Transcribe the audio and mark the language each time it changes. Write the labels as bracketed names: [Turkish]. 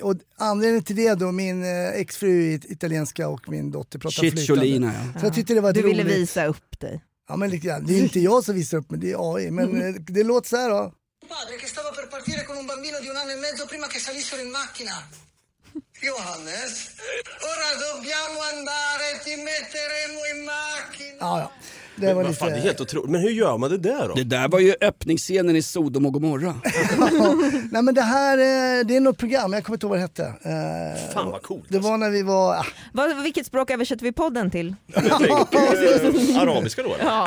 [Swedish] Och anledningen till det då, min exfru i italienska och min dotter pratar flytande. Så jag tyckte det var du roligt. Ville visa upp dig. Ja, men det är inte jag som visar upp mig, det är AI. Men det låter så här då. [Italian] Padre che stava per partire con un bambino di un anno e mezzo prima che salissero in macchina. Johannes, ora dobbiamo andare, ti metteremo in macchina. [Swedish] Ja, det var lite... Men, fan, det är helt otroligt. Men hur gör man det där då? Det där var ju öppningsscenen i Sodom och Gomorra. Nej, men det här, det är något program, jag kommer inte ihåg vad det hette. Fan vad coolt. Det var när vi var... Vilket språk översätter vi podden till? arabiska då? Ja.